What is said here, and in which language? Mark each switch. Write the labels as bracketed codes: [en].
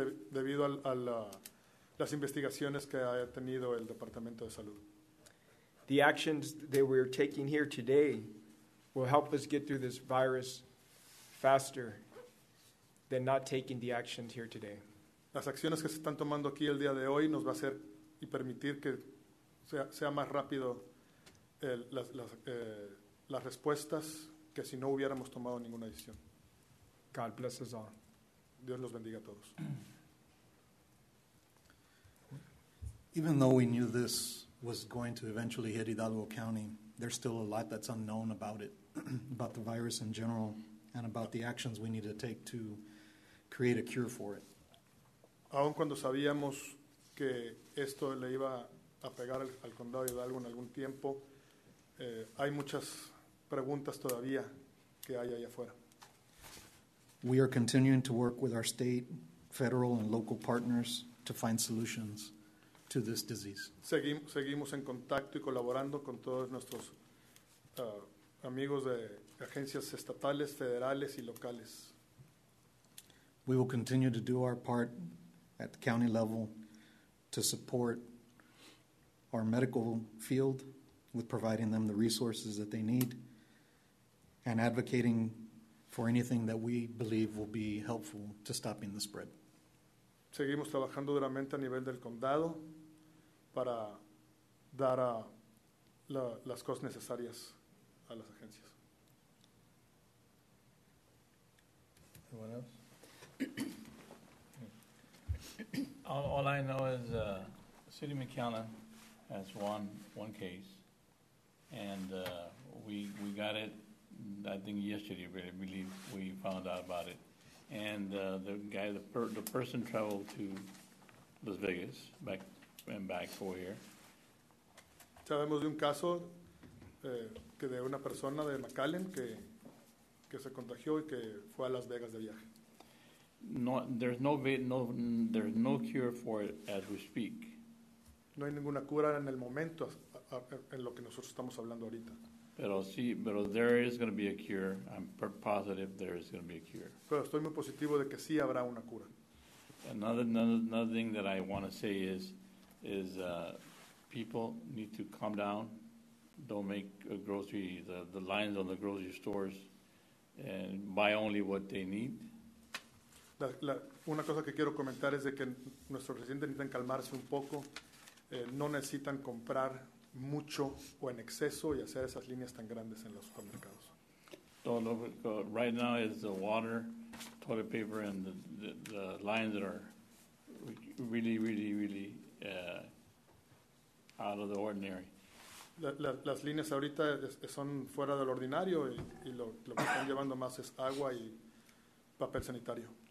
[es] debido a las investigaciones que ha tenido el Departamento de Salud, [en] the actions that we're taking here today will help us get through this virus faster than not taking the actions here today. [es] Las acciones que se están tomando aquí el día de hoy nos va a hacer y permitir que sea más rápido las respuestas que si no hubiéramos tomado ninguna decisión. [en] God bless us all. [es] Dios los bendiga a todos. [en] Even though we knew this was going to eventually hit Hidalgo County, there's still a lot that's unknown about it, about the virus in general, and about the actions we need to take to create a cure for it. [es] Aun cuando sabíamos que esto le iba a pegar al condado de Hidalgo en algún tiempo, hay muchas preguntas todavía que hay allá afuera. [en] We are continuing to work with our state, federal, and local partners to find solutions to this disease. [es] Seguimos en contacto y colaborando con todos nuestros amigos de agencias estatales, federales y locales. [en] We will continue to do our part at the county level to support our medical field with providing them the resources that they need and advocating for anything that we believe will be helpful to stopping the spread. [es] Seguimos trabajando duramente a nivel del condado para dar las cosas necesarias a las agencias. [en] Anyone else? All I know is City of McAllen has one case, and we got it, I think, yesterday, but I believe we found out about it. And the person traveled to Las Vegas back and back for here. [es] Sabemos de un caso que de una persona de McAllen que se contagió y que fue a Las Vegas de viaje. [en] There's no cure for it as we speak. [es] No hay ninguna cura en el momento en lo que nosotros estamos hablando ahorita. [en] Pero there is going to be a cure. I'm positive there is going to be a cure. [es] Pero estoy muy positivo de que sí habrá una cura. [en] Another thing that I want to say is people need to calm down. Don't make a grocery the lines on the grocery stores and buy only what they need. [es] Una cosa que quiero comentar es de que nuestros residentes necesitan calmarse un poco. No necesitan comprar mucho o en exceso y hacer esas líneas tan grandes en los supermercados. [en] So, right now is the water, toilet paper, and the lines that are really, really, really out of the ordinary. [es] Las líneas ahorita son fuera del ordinario y lo que están llevando más es agua y papel sanitario.